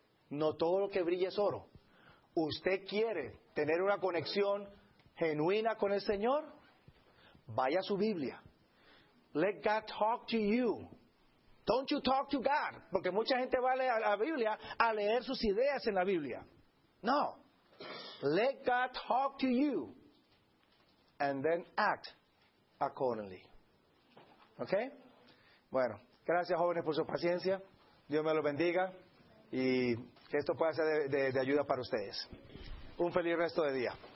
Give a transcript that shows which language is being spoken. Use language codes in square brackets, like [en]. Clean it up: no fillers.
[es] No todo lo que brilla es oro. Usted quiere tener una conexión genuina con el Señor, vaya a su Biblia. [en] Let God talk to you. Don't you talk to God. [es] Porque mucha gente va a leer la Biblia a leer sus ideas en la Biblia. [en] No. Let God talk to you. And then act accordingly. ¿Ok? [es] Bueno, gracias jóvenes por su paciencia. Dios me los bendiga. Y que esto pueda ser de ayuda para ustedes. Un feliz resto de día.